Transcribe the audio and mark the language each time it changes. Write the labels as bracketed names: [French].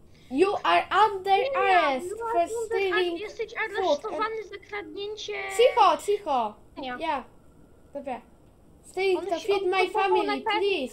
[English] You are under arrest for stealing food. [Polish] Jesteś aresztowany za kradnięcie... Cicho, cicho! Ja. Dobra. [English] Stealing to feed my family, please.